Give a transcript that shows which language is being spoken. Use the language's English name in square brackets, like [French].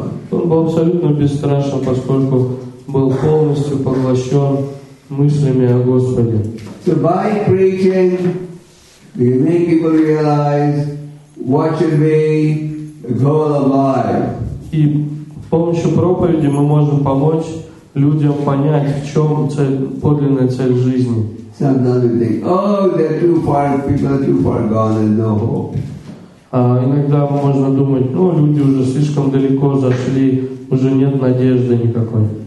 [Russian] Он был абсолютно бесстрашным, поскольку был полностью поглощен мыслями о Господе. [English] So by preaching, we make people realize what should be the goal of life. [Russian] И с помощью проповеди мы можем помочь людям понять, в чем цель, подлинная цель жизни. Иногда можно думать, ну, люди уже слишком далеко зашли, уже нет надежды никакой.